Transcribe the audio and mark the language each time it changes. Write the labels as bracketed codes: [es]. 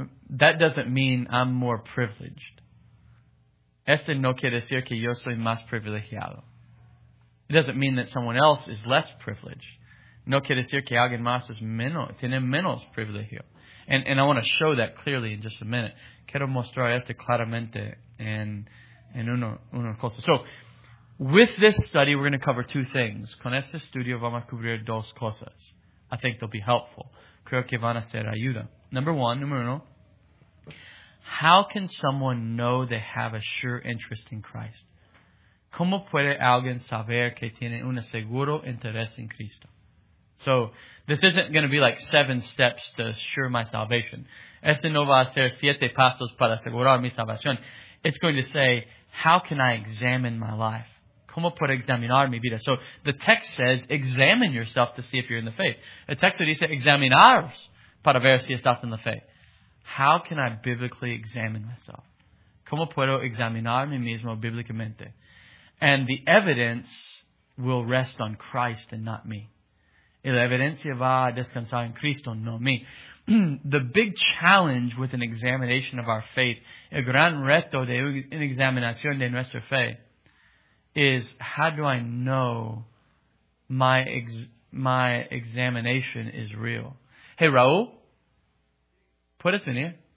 [en] That doesn't mean I'm more privileged. [es] Este no quiere decir que yo soy más privilegiado. [en] It doesn't mean that someone else is less privileged. [es] No quiere decir que alguien más es menos, tiene menos privilegio. [en] And I want to show that clearly in just a minute. [es] Quiero mostrar esto claramente en una cosa. [en] So, with this study, we're going to cover two things. [es] Con este estudio vamos a cubrir dos cosas. [en] I think they'll be helpful. [es] Creo que van a ser ayuda. Número uno. [en] How can someone know they have a sure interest in Christ? [es] ¿Cómo puede alguien saber que tiene un seguro interés en Cristo? [en] So, this isn't going to be like 7 steps to assure my salvation. [es] Este no va a ser 7 pasos para asegurar mi salvación. [en] It's going to say, how can I examine my life? [es] ¿Cómo puede examinar mi vida? [en] So, the text says, examine yourself to see if you're in the faith. [es] El texto dice, examinaros para ver si estás en la fe. [en] How can I biblically examine myself? [es] ¿Cómo puedo examinar mí mismo bíblicamente? [en] And the evidence will rest on Christ and not me. [es] La evidencia va a descansar en Cristo, no me. [en] The big challenge with an examination of our faith, [es] el gran reto de una examinación de nuestra fe, [en] is how do I know my examination is real? Hey, Raúl. Put us in here.